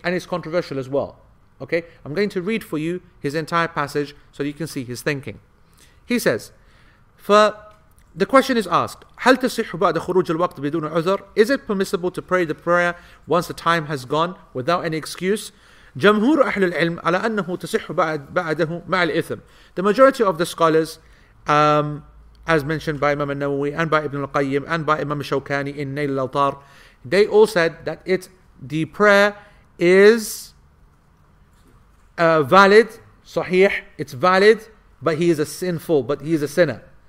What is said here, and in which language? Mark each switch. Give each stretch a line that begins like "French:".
English: And it's controversial as well, okay? I'm going to read for you his entire passage so you can see his thinking. He says, the question is asked,
Arabic: هَلْ تَصِحُ بَعْدَ خُرُوجِ الْوَقْتِ بِدُونَ عُذْرٍ?
English: Is it permissible to pray the prayer once the time has gone without any excuse?
Arabic: جمهور أهل العلم على أنه تصح بعده مع الإثم.
English: The majority of the scholars, as mentioned by Imam al-Nawawi and by Ibn al-Qayyim and by Imam al-Shawkani in Nail al-Altar, they all said that the prayer is valid, صحيح, it's valid, but he is a sinful, but he is a sinner.